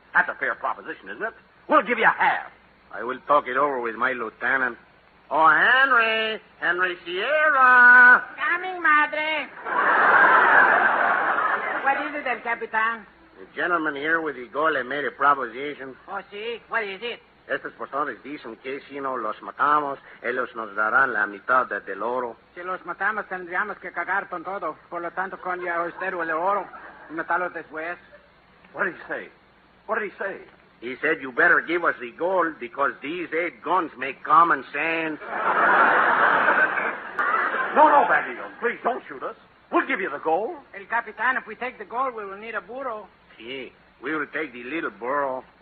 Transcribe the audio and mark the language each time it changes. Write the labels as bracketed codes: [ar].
[en] That's a fair proposition, isn't it? We'll give you a half. I will talk it over with my lieutenant. Oh, Henry. Henry Sierra. Coming, Madre. What is it, El Capitan? The gentleman here with the gold made a proposition. Oh, si? What is it? [es] Estas personas dicen que si no los matamos, ellos nos darán la mitad del oro. Si los matamos, tendríamos que cagar con todo. Por lo tanto, con ya usted o el oro, matarlos después. [en] What did he say? What did he say? He said you better give us the gold because these 8 guns make common sense. No, Bandito. Please, don't shoot us. We'll give you the gold. El Capitan, if we take the gold, we will need a burro. Si, we will take the little burro.